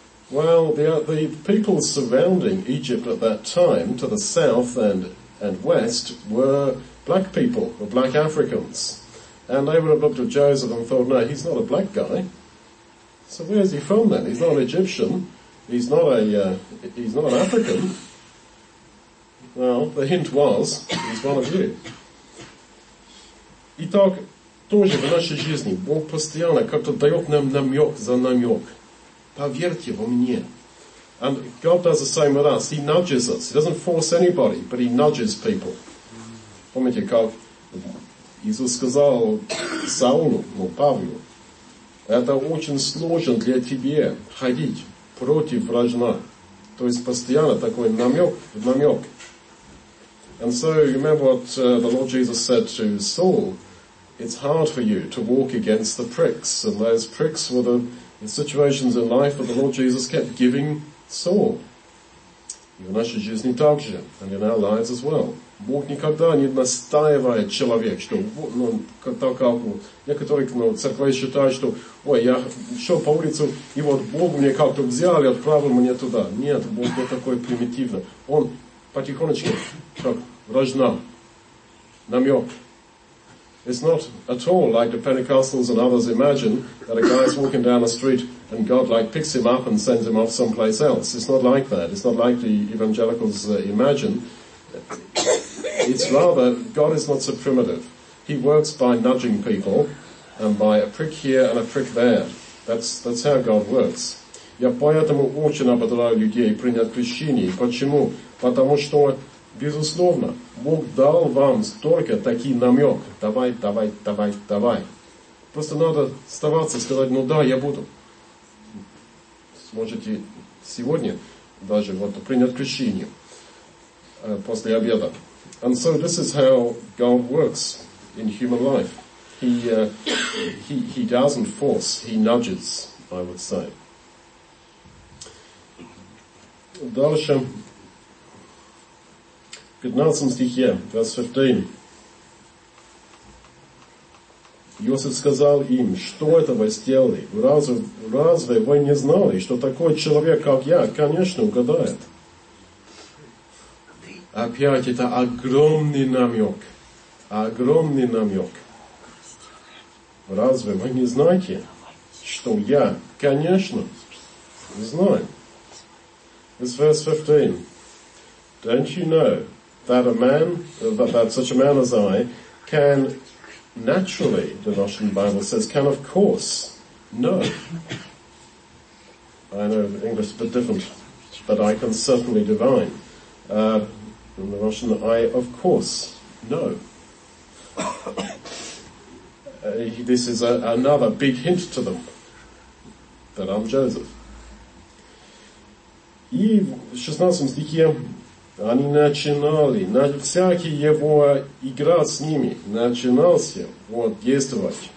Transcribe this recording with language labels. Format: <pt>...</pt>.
<en>Well, the people surrounding Egypt at that time, to the south and west, were black people, or black Africans. And they would have looked at Joseph and thought, no, he's not a black guy. So where's he from then? He's not an Egyptian. He's not an African. Well, the hint was, he's one of you.</en> <ru>Итак, тоже в нашей жизни Бог постоянно как-то дает нам намек за намек. Поверьте во мне.</ru> <en>And God does the same with us. He nudges us. He doesn't force anybody, but he nudges people.</en> <ru>Помните, как Иисус сказал Саулу, ну, Павлу, это очень сложно для тебя ходить против вражна. То есть постоянно такой намек в намек.</ru> <en>And so, you remember what the Lord Jesus said to Saul, it's hard for you to walk against the pricks. And those pricks were the situations in life that the Lord Jesus kept giving Saul.</en> <ru>И в нашей жизни также,</ru> <en>and in our lives as well.</en> <ru>Бог никогда не настаивает человек, что, ну, как некоторые, ну, церкви считают, что, ой, я шел по улице, и вот Бог мне как-то взял и отправил мне туда. Нет, Бог не такой примитивный. Он потихонечку, как вражна, намек.</ru> <en>It's not at all like the Pentecostals and others imagine that a guy is walking down the street and God like picks him up and sends him off someplace else. It's not like that. It's not like the evangelicals imagine. It's rather, God is not so primitive. He works by nudging people and by a prick here and a prick there. That's how God works.</en> <ru>Я поэтому очень ободряю людей принять крещение. Почему? Потому что, безусловно, Бог дал вам столько такой намек. Давай, давай, давай, давай. Просто надо оставаться, сказать, ну да, я буду. Сможете сегодня даже вот принять крещение. После обеда.</ru> <en>And so this is how God works in human life. He doesn't force, he nudges, I would say.</en> <ru>Дальше. В 15 стихе,</ru> <en>verse 15.</en> <ru>Иосиф сказал им, что это вы сделали? Разве вы не знали, что такой человек, как я, конечно, угадает? Опять это огромный намек. Огромный намек. Разве вы не знаете, что я, конечно, знаю?</ru> <en>It's verse 15. Don't you know that a man, that such a man as I, can naturally, the Russian Bible says, can of course know. I know English is a bit different, but I can certainly divine. In the Russian, I, of course, know. This is another big hint to them, that I'm Joseph.</en> <ru>И в 16 стихе они начинали, всякий его игра с ними начинался вот действовать.</ru>